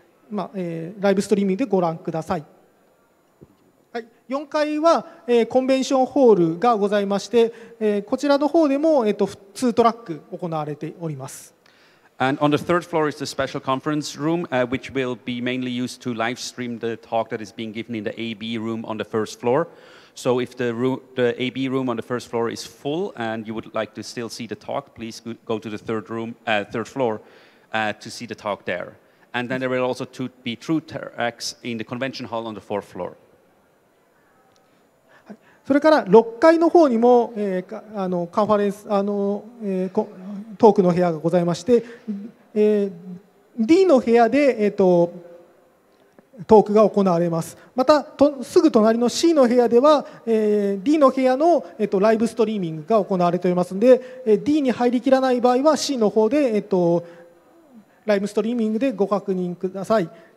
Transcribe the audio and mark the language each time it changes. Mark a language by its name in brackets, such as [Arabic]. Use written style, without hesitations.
[Japanese] まあライブストリーミングでご覧ください、はい、4階は、コンベンションホールがございまして、こちらの方でも、2トラック行われております。 [English] And on the third floor is the special conference room、which will be mainly used to live stream the talk that is being given in the AB room on the first floor. So if the AB room on the first floor is full and you would like to still see the talk, please go to the third room、third floor、to see the talk thereAnd then there will also be two tracks in the convention hall on the fourth floor. [Japanese] それから6階の方にも、カンファレンス、トークの部屋がございまして、D の部屋で、トークが行われます。またすぐ隣の C の部屋では、D の部屋の、ライブストリーミングが行われておりますので、D に入りきらない場合は C の方で、ライブストリーミングでご確認ください。